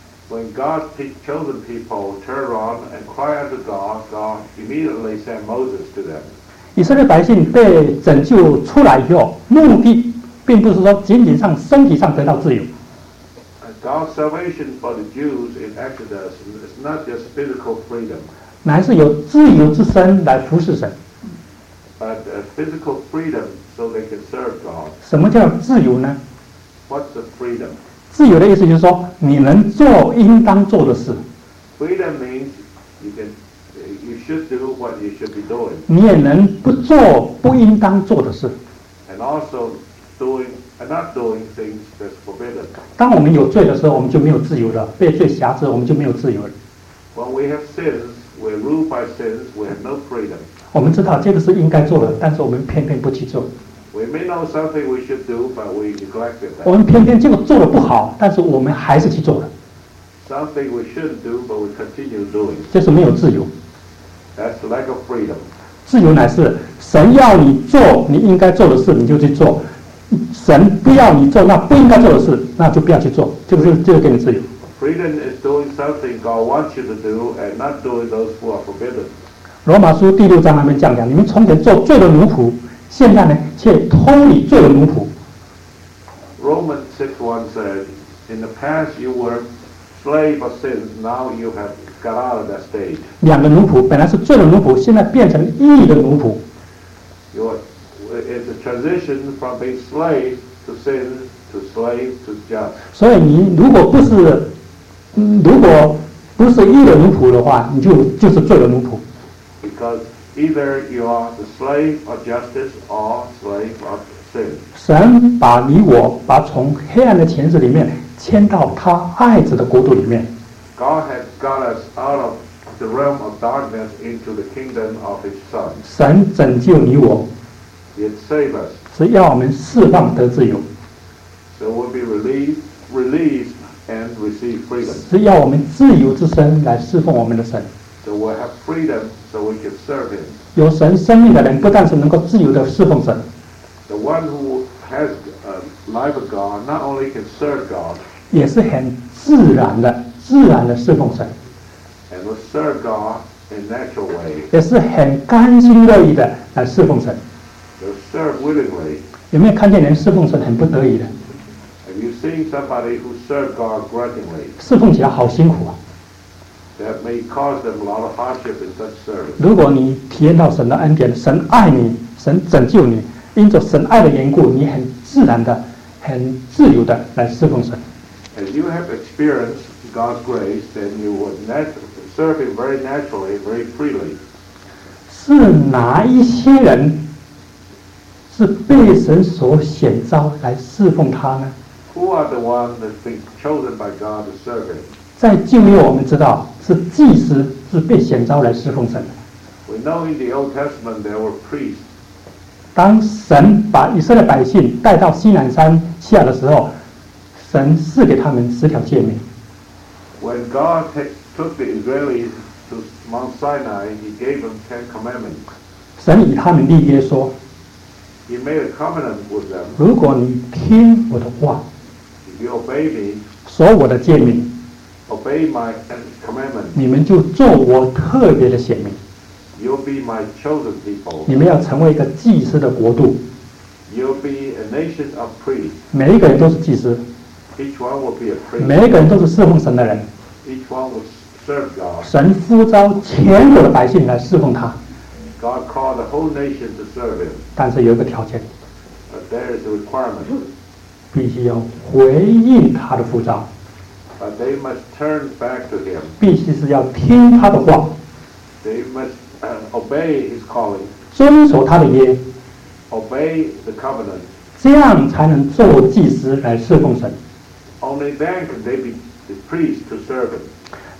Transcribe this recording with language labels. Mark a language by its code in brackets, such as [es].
[en] When God's chosen people turn around and cry unto God, God immediately sent Moses to them. [zh] 以色列百姓被拯救出来以后，目的并不是说仅仅上身体上得到自由。 [en] God's salvation for the Jews in Exodus is not just physical freedom. [zh] 乃是有自由之身来服侍神。 [en] But physical freedom so they can serve God. [zh] 什么叫自由呢 [en] ？What's the freedom? [zh] 自由的意思就是说你能做应当做的事。 [en] Freedom means you should do what you should be doing. [zh] 你也能不做不应当做的事。 [en] And also. Not doing things that's forbidden. [zh] 当我们有罪的时候，我们就没有自由了。被罪辖制，我们就没有自由了。 [en] When we have sins, we're ruled by sins. We have no freedom. [zh] 我们知道这个是应该做的，但是我们偏偏不去做。 [en] We may know something we should do, but we neglect it. [zh] 我们偏偏这个做的不好，但是我们还是去做了。 [en] Something we shouldn't do, but we continue doing. [zh] 这是没有自由。 [en] That's lack of freedom. [zh] 自由乃是神要你做你应该做的事，你就去做。神不要你做那不应该做的事，那就不要去做，就给你自由。 [en] Freedom is doing something God wants you to do and not doing those who are forbidden. [zh] 罗马书第六章那边讲讲，你们从前做罪的奴仆，现在呢却脱离罪的奴仆。 [en] Romans 6:1 said, In the past you were slave of sin, now you have got out of that state. [zh] 两个奴仆，本来是罪的奴仆，现在变成义的奴仆。 [en] It's a transition from being slave to sin to slave to just. [zh] 所以你如果不是义的奴仆的话，你就是罪的奴仆。 [en] because either you are the slave of justice or slave of sin. [zh] 神把你我把从黑暗的钳子里面牵到他爱子的国度里面。 [en] God has got us out of the realm of darkness into the kingdom of His Son. [zh] 神拯救你我。 [en] It saves us. [zh] 是要我们释放得自由。 [en] So we'll be released and receive freedom. [zh] 是要我们自由之身来侍奉我们的神。 [en] So we'll have freedom so we can serve Him. [zh] 有神生命的人不但是能够自由地侍奉神。 [en] The one who has a life of God not only can serve God, [zh] 也是很自然的自然的侍奉神。 [en] And will serve God in natural way. [zh] 也是很甘心乐意的来侍奉神。 [en] They'll serve willingly. [zh] 有没有看见人侍奉神很不得已的？ [en] Have you seen somebody who served God grudgingly? [zh] 侍奉起来好辛苦啊。 [en] That may cause them a lot of hardship in such service. [zh] 如果你体验到神的恩典，神爱你，神拯救你，因着神爱的缘故，你很自然的、很自由的来侍奉神。 [en] As you have experienced God's grace, then you would serve Him very naturally, very freely. [zh] 是哪一些人是被神所选召来侍奉他呢？ [en] Who are the ones that have been chosen by God to serve Him? [zh] 在旧约我们知道是祭司是被选召来侍奉神的。 [en] We know in the Old Testament there were priests. [zh] 当神把以色列百姓带到西南山下的时候，神赐给他们十条诫命。 [en] When God took the Israelites to Mount Sinai, He gave them ten commandments. [zh] 神与他们立约说 [en] ，He made a covenant with them. [zh] 如果你听我的话 [en] ，If you obey me, [zh] 所我的诫命 [en] ，obey my commandments, [zh] 你们就做我特别的显明。 [en] You'll be my chosen people. [zh] 你们要成为一个祭司的国度。 [en] You'll be a nation of priests. [zh] 每一个人都是祭司。 [en] Each one will be a priest. [zh] 每一个人都是侍奉神的人。 [en] Each one will serve God. [zh] 神呼召全国的百姓来侍奉他。 [en] God called the whole nation to serve Him. [zh] 但是有一个条件。 [en] But there is a requirement. [zh] 必须要回应他的呼召。 [en] But they must turn back to Him. [zh] 必须是要听他的话。 [en] They must. Obey His calling, [zh] 遵守他的约 [en] obey the covenant, [zh] 这样才能做祭司来侍奉神。 [en] Only then can they be the priest to serve Him.